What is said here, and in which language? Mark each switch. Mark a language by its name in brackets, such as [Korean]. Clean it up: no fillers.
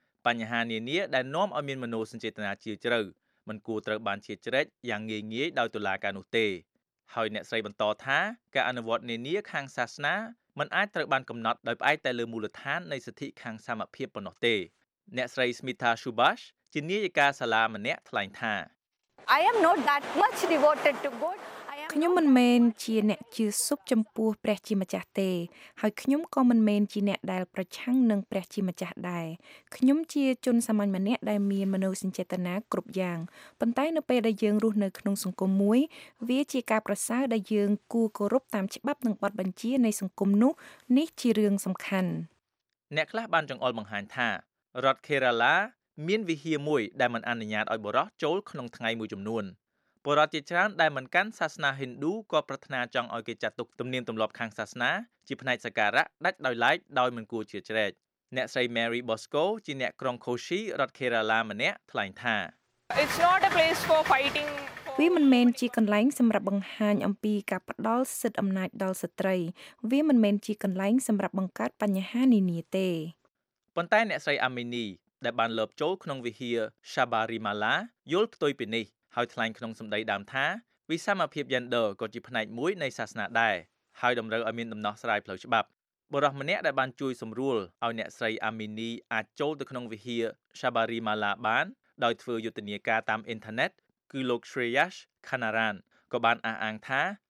[Khmer] បញ្ហានានាដែលនាំឲ្យមានមនោសញ្ចេតនាជ្រាលជ្រៅមិនគួរត្រូវបានជ្រៀតជ្រែកយ៉ាងងាយៗដោយតុលាការនោះទេហើយអ្នកស្រីបន្តថាការអនុវត្តនានាខាងសាសនាมันអាចត្រូវបានកំណត់ដោយផ្អែកតែលើមូលដ្ឋាននៃសិទ្ធិខាងសមភាពប៉ុណ្ណោះទេអ្នកស្រី Smita Subhash ជានាយិកាសាលាម្នាក់ថ្លែងថា [English] I am not that much devoted to God [Khmer] ខ្ញុំមិនមែនជាអ្នកជឿសុបចំពោះព្រះជាម្ចាស់ទេហើយខ្ញុំក៏មិនមែនជាអ្នកដែលប្រឆាំងនឹងព្រះជាម្ចាស់ដែរខ្ញុំជាជនសាមញ្ញម្នាក់ដែលមានមនោសញ្ចេតនាគ្រប់យ៉ាងប៉ុន្តែនៅពេលដែលយើងរស់នៅក្នុងសង្គមមួយវាជាការប្រសើរដែលយើងគួរគោរពតាមច្បាប់និងបទបញ្ជានៃសង្គមនោះនេះជារឿងសំខាន់អ្នកខ្លះបានចង្អុលបង្ហាញថារដ្ឋ Kerala មានវិហារមួយដែលមិនអនុញ្ញាតឲ្យបុរសចូលក្នុងថ្ងៃមួយចំនួនបរតិចរានដែលមិនកាន់សាសនាហិណ្ឌូក៏ប្រាថ្នាចង់ឲ្យគេចាត់ទុកទំនៀមទម្លាប់ខាងសាសនាជាផ្នែកសក្ការៈដាច់ដោយឡែកដោយមិនគួរជាជ្រែកអ្នកស្រី Mary Bosco ជាអ្នកក្រុងខូស៊ីរដ្ឋ Kerala ម្នាក់ថ្លែងថា [English] It's not a place for fighting [Khmer] វាមិនមែនជាកន្លែងសម្រាប់បង្ហាញអំពីការផ្ដល់សិទ្ធិអំណាចដល់ស្ត្រីវាមិនមែនជាកន្លែងសម្រាប់បង្កើតបញ្ហានានាទេ ប៉ុន្តែអ្នកស្រី Amini ដែលបានលើបចូលក្នុងវិហារ Sabarimala យល់ផ្ទុយពីនេះហើយថ្លែងក្នុងសម្ដីដើមថាវិសមភាព gender ក៏ជាផ្នែកមួយនៃសាសនាដែរហើយតម្រូវឲ្យមានដំណោះស្រាយផ្លូវច្បាប់បុរសម្នាក់ដែលបានជួយសម្រួលឲ្យអ្នកស្រីអាមីនីអាចចូលទៅក្នុងវិហារ Sabarimala បានដោយធ្វើយុទ្ធនាការតាមអ៊ីនធឺណិតគឺលោក Shreyash Kanaran ក៏បានអះអាងថា